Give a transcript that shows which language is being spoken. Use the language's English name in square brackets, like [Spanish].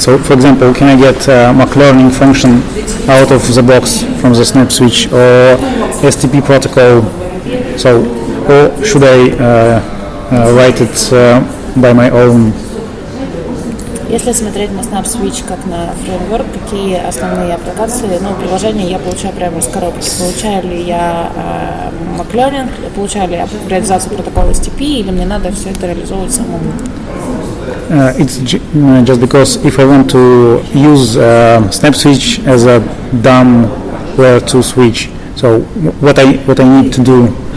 [English] So, for example, can I get mock learning function out of the box from the SnapSwitch or STP protocol? So, or should I write it by my own? [Russian] Если смотреть на SnapSwitch как на фреймворк, какие основные аппликации, ну, приложения я получаю прямо из коробки. Получаю ли я mock learning, получаю ли я реализацию протокола STP, или мне надо все это реализовывать самому? [English] It's just because if I want to use SnapSwitch as a DOM layer 2 switch, so what I need to do?